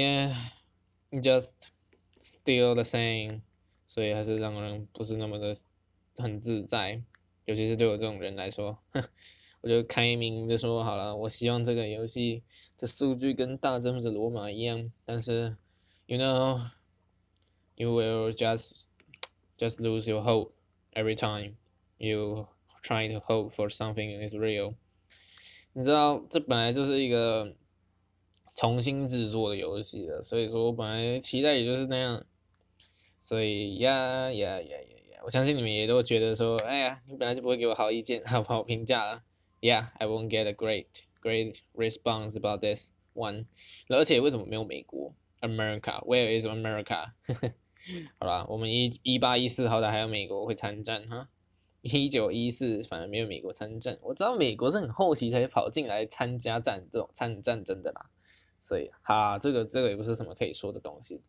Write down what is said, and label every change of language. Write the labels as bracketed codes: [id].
[en] Yeah，just still the same， [zh] 所以还是让人不是那么的很自在，尤其是对我这种人来说，我就开明的说好了，我希望这个游戏的数据跟大政府的罗马一样，但是， [en] you know，you will just lose your hope every time you try to hope for something is real。 [zh] 你知道，这本来就是一个重新制作的游戏了，所以说我本来期待也就是那样。所以呀，我相信你们也都觉得说，哎呀，你本来就不会给我好意见，好不好评价了。 [en] Yeah，I won't get a great response about this one。 [zh] 而且为什么没有美国？ [en] America，Where is America？ [zh] 好啦，我们1814好歹还有美国会参战哈，1914反而没有美国参战。我知道美国是很后期才跑进来参加战这种参与战争的啦，所以哈，这个也不是什么可以说的东西。